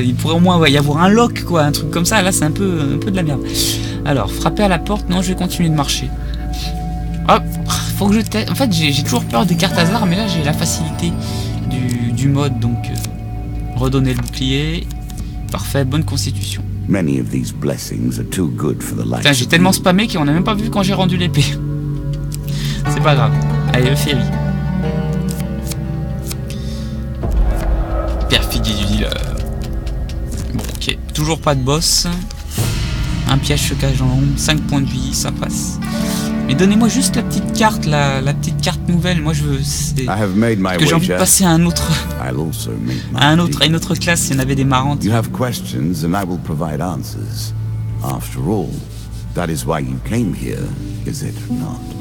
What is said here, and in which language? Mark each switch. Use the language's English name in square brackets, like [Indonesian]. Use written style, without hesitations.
[French] Il pourrait au moins y avoir un lock, quoi, un truc comme ça, là c'est un peu de la merde. Alors, frapper à la porte, non je vais continuer de marcher. Hop, faut que je teste. En fait j'ai toujours peur des cartes hasard, mais là j'ai la facilité du mode, donc redonner le bouclier. Parfait, bonne constitution. [English] Many of these blessings are too good for the life. [French] Putain, j'ai tellement spammé qu'on a même pas vu quand j'ai rendu l'épée. C'est pas grave. Allez, le ferry. Perfidie du dealer. Bon, ok, toujours pas de boss. Un piège se cache dans l'ombre. 5 points de vie, ça passe. Mais donnez-moi juste la petite carte, la petite carte nouvelle. Moi, je veux que j'ai envie de passer à un autre, à une autre classe. Il y en avait des marrantes. [English] You have questions, and I will provide answers. After all, that is why you came here, is it not?